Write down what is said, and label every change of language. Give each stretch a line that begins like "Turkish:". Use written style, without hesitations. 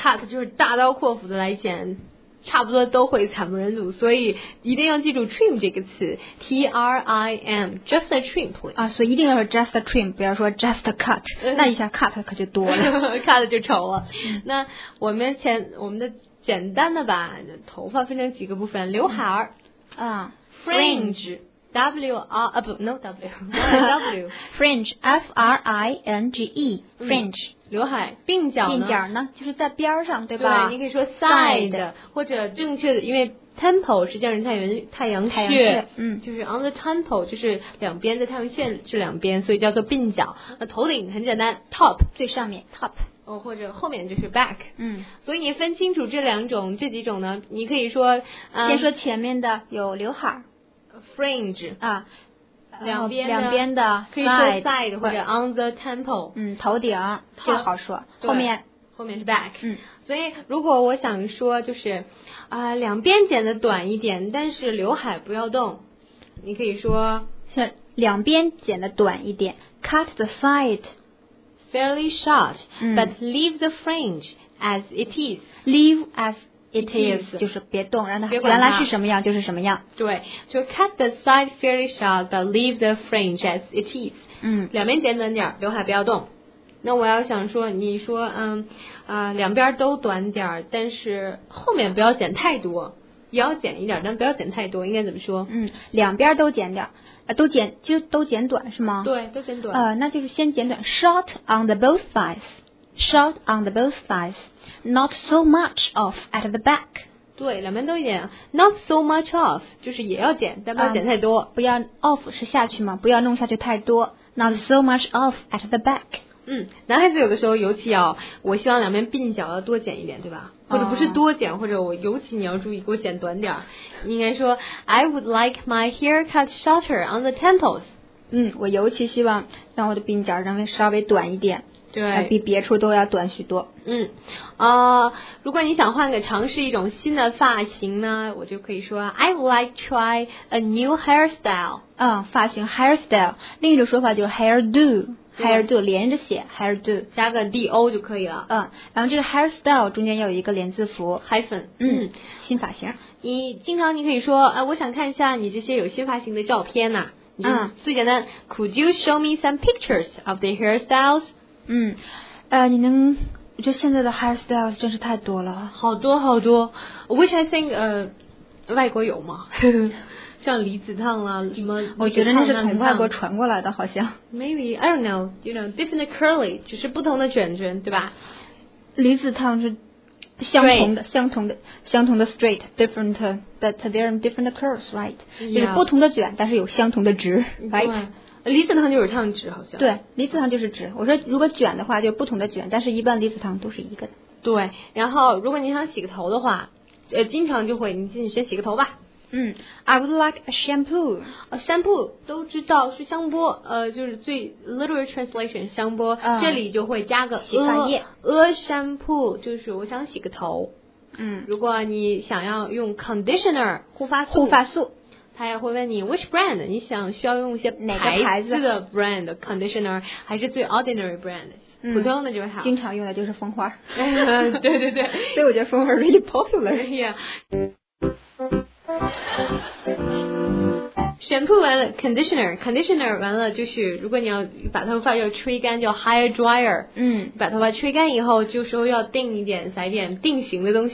Chinese: cut 就是大刀阔斧的来剪。差不多都会惨不忍睹，所以一定要记住 trim 这个词 T-R-I-M
English: just a trim please
Chinese: 啊，所以一定要说
English: just a trim，
Chinese: 不要说
English: just a cut，
Chinese: 那一下 cut 可就多了 cut 就丑了。那我们的简单的吧，头发分成几个部分，刘海啊
English: fringe W R 啊不 no W W fringe F-R-I-N-G-E fringe
Chinese: 刘海，鬓角呢？鬓角呢？就是在边上，对吧？对，你可以说 side， 或者正确的，因为 temple 实际上是太阳穴，就是
English: on the temple，
Chinese: 就是两边的太阳穴是两边，所以叫做鬓角。那头顶很简单 ，top 最上面 top，或者后面就是 back， 所以你分清楚这几种呢，你可以说，先说前面的有刘海
English: ，fringe 啊。
Chinese: 两边的
English: side 或者 on the temple，
Chinese: 头顶最好说，后面是 back， 所以如果我想说就是两边剪的短一点，但是刘海不要动，你可以说两边剪的短一点 ，
English: cut the side fairly short， but leave the fringe as it is， leave as it is，
Chinese: 就是别动，让它原来是什么样就是什么样。对，就
English: cut the side fairly short but leave the fringe as it is。
Chinese: 两边剪短点，刘海不要动。那我要想说，你说两边都短点，但是后面不要剪太多，也要剪一点，但不要剪太多，应该怎么说？两边都剪点，都剪短是吗？对，都剪短。那就是先剪短
English: ，short on the both sides。 Short on the both sides, not so much off at the back.
Chinese: 对，两边都一点。
English: Not so much off
Chinese: 就是也要剪，但不要剪太多。不要 off 是下去嘛，不要弄下去太多。
English: Not so much off at the back.
Chinese: 男孩子有的时候尤其要，我希望两边鬓角要多剪一点，对吧？或者不是多剪，或者我尤其你要注意给我剪短点，应该说
English: I would like my haircut shorter on the temples。
Chinese: 嗯，我尤其希望让我的鬓角稍微短一点，对，比别处都要短许多。嗯，如果你想换个尝试一种新的发型呢，我就可以说
English: I would like to try a new hairstyle。
Chinese: 嗯，发型 hairstyle， 另一种说法就是 hairdo。 Hairdo 连着写 ，hairdo 加个 do 就可以了。嗯，然后这个 hairstyle 中间要有一个连字符
English: hyphen。
Chinese: 嗯，新发型。你经常你可以说，我想看一下你这些有新发型的照片呐、啊。
English: 嗯，最简单 ，Could you show me some pictures of the hairstyles？
Chinese: 嗯，你能，我觉得现在的 hairstyles 真是太多了，好多好多。
English: Which I think，
Chinese: 外国有吗？像离子烫啦、啊、什么，我觉得那是从外国传过来的，好像
English: maybe I don't know， you know different curly，
Chinese: 就是不同的卷卷，对吧？离子烫是相同的，相同的
English: straight， different that there are different curls， right？ Yeah.
Chinese: 就是不同的卷，但是有相同的直，
English: right？
Chinese: 离子烫就是烫直，好像对，离子烫就是直。我说如果卷的话，就是不同的卷，但是一般离子烫都是一个的。对，然后如果你想洗个头的话，经常就会，你进去先洗个头吧。
English: 嗯 ，I would like a shampoo.
Chinese: A shampoo 都知道是香波，就是最
English: literal translation
Chinese: 香波。这里就会加个shampoo， 就是我想洗个头。嗯，如果你想要用 conditioner 护发素，他也会问你
English: which brand，
Chinese: 你想需要用一些哪个牌子的 brand conditioner， 还是最
English: ordinary brand。
Chinese: 普通的就好，经常用的就是蜂花。对对对，所以我觉得蜂花
English: really popular。 Yeah。
Chinese: Shampoo 完了 ，conditioner 完了，就是如果你要把头发要吹干，叫 hair dryer。嗯，把头发吹干以后，就说要定一点，撒一点定型的东西。